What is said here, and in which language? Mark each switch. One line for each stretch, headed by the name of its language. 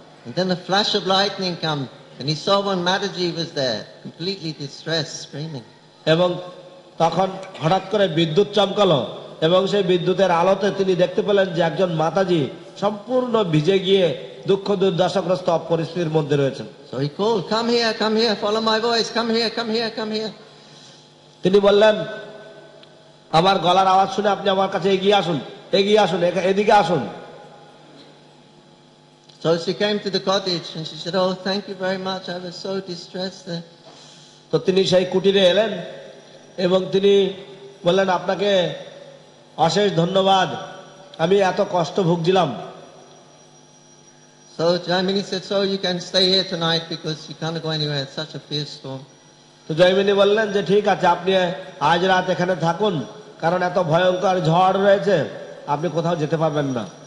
English: And then the flash of lightning came, And he saw when Mataji was there, completely distressed, screaming.
Bangla: এবং তখন হঠাৎ করে বিদ্যুৎ চমকালো এবং সেই বিদ্যুতের আলোতে তিনি দেখতে পেলেন যে একজন মাতাজি সম্পূর্ণ ভিজে গিয়ে দুঃখ দুর্দশাগ্রস্ত পরিস্থিতির মধ্যে রয়েছেন।
English: So he called, "Come here, come here, follow my voice, come here, come here, come here."
Bangla: তিনি বললেন, আমার গলার আওয়াজ শুনে আপনি আমার কাছে এগিয়ে আসুন, এগিয়ে আসুন, এদিকে আসুন।
English: So she came to the cottage and she said, "Oh, thank you very much. I was so distressed there."
Bangla: তো তিনি সেই কুটিরে এলেন এবং তিনি বললেন, আপনাকে অশেষ ধন্যবাদ, আমি এত কষ্ট ভুগছিলাম।
English: So Jaimini said, "So you can stay here tonight because you can't go anywhere. It's such a fierce storm."
Bangla: তো জয়মিনী বললেন যে ঠিক আছে, আপনি আজ রাত এখানে থাকুন, কারণ এত ভয়ঙ্কর ঝড় রয়েছে, আপনি কোথাও যেতে পারবেন না।